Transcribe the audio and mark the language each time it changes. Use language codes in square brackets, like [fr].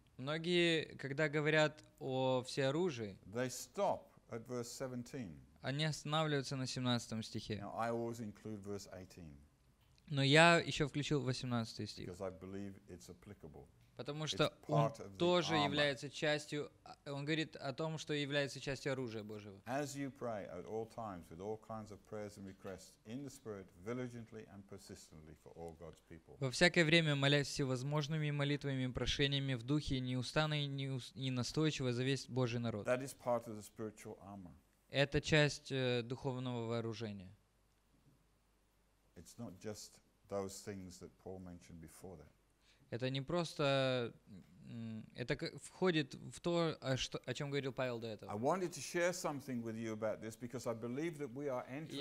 [ru] Многие, когда говорят о всеоружии, [en] they stop at verse 17. [ru] Они останавливаются на 17 стихе. [en] Now, I always include verse 18. [ru] Но я еще включил 18 стих. [en] Because I believe it's applicable. [ru] Потому что он тоже является частью, он говорит о том, что является частью оружия Божьего. [en] As you pray at all times with all kinds of prayers and requests in the Spirit, diligently and persistently for all God's people. [ru] Во всякое время молясь всевозможными молитвами и прошениями в духе, неустанно и настойчиво за весь Божий народ. [en] That is part of the spiritual armor. [ru] Это часть духовного вооружения. [en] It's not just those things that Paul mentioned before that. [ru] Это не просто, это входит в то, о чем говорил Павел до этого. [en] I wanted to share something with you about this because I believe that we are entering.